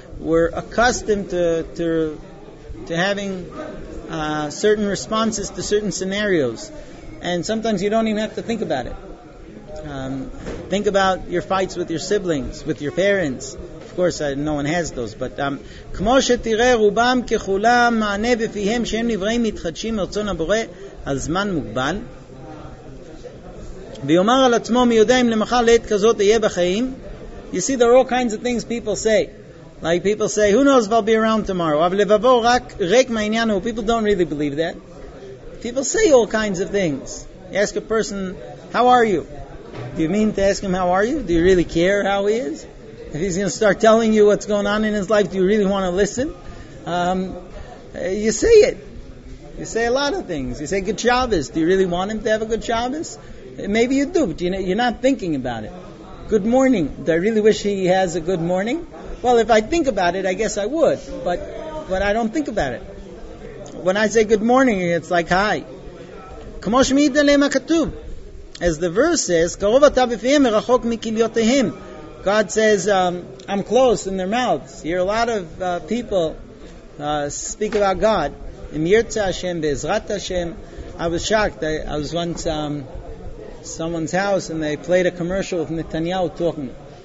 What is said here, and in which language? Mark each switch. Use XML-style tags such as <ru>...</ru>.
<en>We're accustomed to having certain responses to certain scenarios. And sometimes you don't even have to think about it. Think about your fights with your siblings, with your parents. Of course, no one has those.</en> <he>But כמו שתראה רובם ככולם מענה בפיהם שהם נבראים מתחדשים מרצון הבורא על זמן מוגבל. ויאמר על עצמו מי יודע אם למחר לעת כזאת יהיה בחיים.</he> <en>You see, there are all kinds of things people say. Like people say, who knows if I'll be around tomorrow?</en> <he>אבל לבבו רק ריק מעניין הוא.</he> <en>People don't really believe that. People say all kinds of things. You ask a person, how are you? Do you mean to ask him how are you? Do you really care how he is? If he's going to start telling you what's going on in his life, do you really want to listen? You say it. You say a lot of things. You say good Shabbos. Do you really want him to have a good Shabbos? Maybe you do, but you're not thinking about it. Good morning. Do I really wish he has a good morning? Well, if I think about it, I guess I would. But I don't think about it. When I say good morning, it's like hi.</en> <he>כמו שמיד עליהם הכתוב.</he> <en>As the verse says,</en> <he>קרוב אתה בפיהם ורחוק מכליותיהם.</he> <en>God says, I'm close in their mouths. You hear a lot of people speak about God. Im Yirtzeh Hashem, Be'ezrat Hashem. I was shocked. I was once at someone's house and they played a commercial with Netanyahu talking.</en>